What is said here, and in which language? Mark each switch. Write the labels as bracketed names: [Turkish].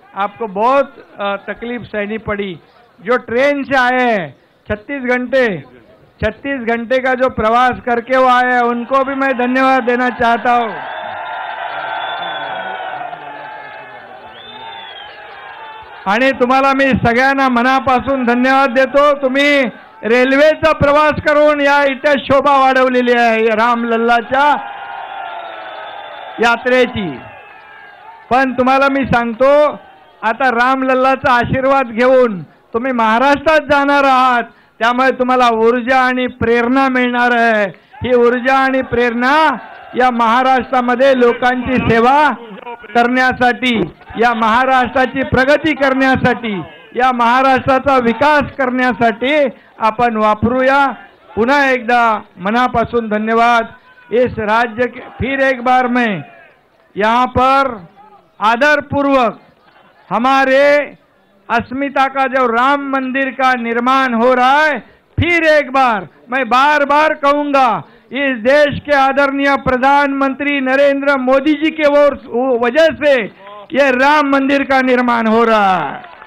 [Hindi] आपको बहुत तकलीफ सहनी पड़ी, जो ट्रेन से आए हैं, 36 घंटे का जो प्रवास करके वो आए हैं, उनको भी मैं धन्यवाद देना चाहता हूँ। [Marathi] आणि तुम्हाला मी सगळ्यांना मनापासून धन्यवाद देतो, तुम्ही रेल्वेचा प्रवास करून या इथे शोभा वाढवलेली आहे रामलल्लाच्या यात्रेची। पण तुम्हाला मी सांगतो, आता रामलल्लाचा आशीर्वाद घेऊन तुम्ही महाराष्ट्रात जाणार आहात, त्यामुळे तुम्हाला ऊर्जा आणि प्रेरणा मिळणार आहे, ही ऊर्जा आणि प्रेरणा या महाराष्ट्रामध्ये लोकांची सेवा करण्यासाठी, या महाराष्ट्राची प्रगती करण्यासाठी, या महाराष्ट्राचा विकास करण्यासाठी आपण वापरूया। पुन्हा एकदा मनापासून धन्यवाद [Hindi] इस राज्य के। फिर एक बार मैं यहाँ पर आदरपूर्वक हमारे अस्मिता का, जो राम मंदिर का निर्माण हो रहा है, फिर एक बार मैं बार बार कहूंगा, इस देश के आदरणीय प्रधानमंत्री नरेंद्र मोदी जी के वजह से ये राम मंदिर का निर्माण हो रहा है।